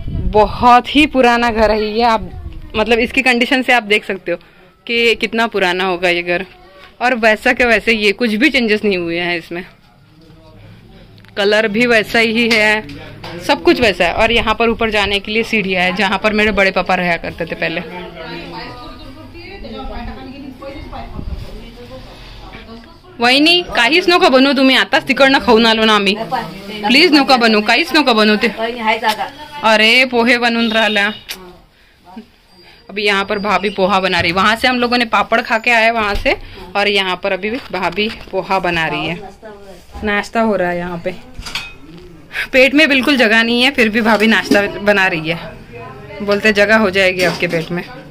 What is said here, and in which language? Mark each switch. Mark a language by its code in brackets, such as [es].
[hi] बहुत ही पुराना घर है ये, आप मतलब इसकी कंडीशन से आप देख सकते हो कि कितना पुराना होगा ये घर, और वैसा के वैसे ये कुछ भी चेंजेस नहीं हुए हैं इसमें, कलर भी वैसा ही है, सब कुछ वैसा है। और यहाँ पर ऊपर जाने के लिए सीढ़ियाँ है, जहाँ पर मेरे बड़े पापा रहा करते थे पहले। [mr] वही नहीं काहीच नका बनू तुम्ही, आताच तिकडनं खाऊन आलो ना आम्ही, प्लीज नका बनू, काहीच नका बनू ते। अरे पोहे बनून राहिला, [hi] अभी यहाँ पर भाभी पोहा बना रही, वहां से हम लोगों ने पापड़ खा के आए वहां से, और यहाँ पर अभी भाभी पोहा बना रही है, नाश्ता हो रहा है यहाँ पे, पेट में बिल्कुल जगह नहीं है फिर भी भाभी नाश्ता बना रही है, बोलते जगह हो जाएगी आपके पेट में।